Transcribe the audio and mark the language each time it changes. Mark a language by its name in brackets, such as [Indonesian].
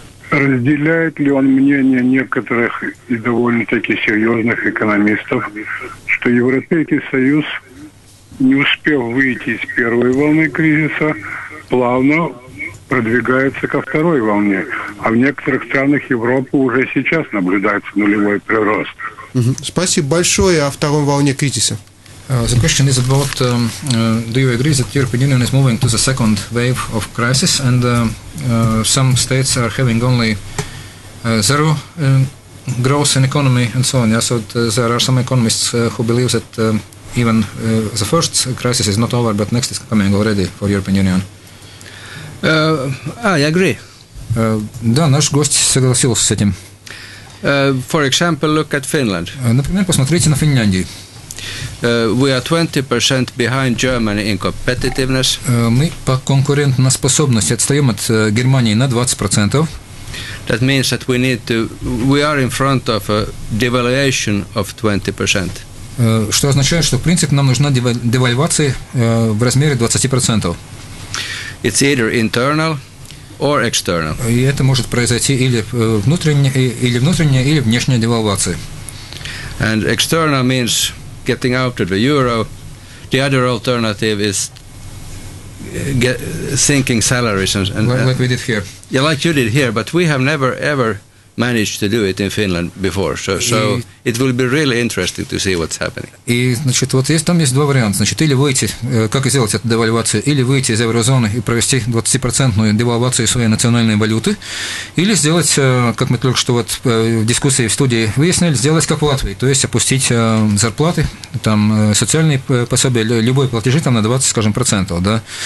[Russian] Разделяет ли он мнение некоторых и довольно-таки серьезных экономистов, что Европейский Союз, не успев выйти из первой волны кризиса, плавно продвигается ко второй волне. А в некоторых странах Европы уже сейчас наблюдается нулевой прирост. Спасибо большое. О второй волне кризиса. [English] The question is about, do you agree that the European Union is moving to the second wave of crisis and some states are having only zero growth in economy and so on? Yeah? So there are some economists who believe that even the first crisis is not over, but next is coming already for European Union. I agree. [Russian] Да, наш гость согласился с этим. [English] For example, look at Finland. [Russian] Например, посмотрите на Финляндию. [English] We are 20% behind Germany in competitiveness. [Russian] Мы по конкурентоспособности отстаем от Германии на 20%. [English] That means that we need to. We are in front of a devaluation of 20%. [Russian] Что означает, что в принципе нам нужна девальвация в размере 20%. [English] It's either internal or external. [Russian] И это может произойти или внутренняя, или внешняя девальвация. [English] And external means getting out of the euro. The other alternative is sinking salaries and like we did here. Yeah, like you did here, but we have never ever managed to do it in Finland before. So it will be really interesting to see what's happening. [Russian] И, значит, вот есть там есть два варианта. Значит, или выйти, как сделать эту девальвацию, или выйти из еврозоны и провести 20% девальвацию своей национальной валюты, или сделать, как мы только что вот в дискуссии в студии выяснили, сделать как в Латвии, то есть опустить зарплаты, там, социальные пособия, любые платежи там на 20, скажем, процентов, да.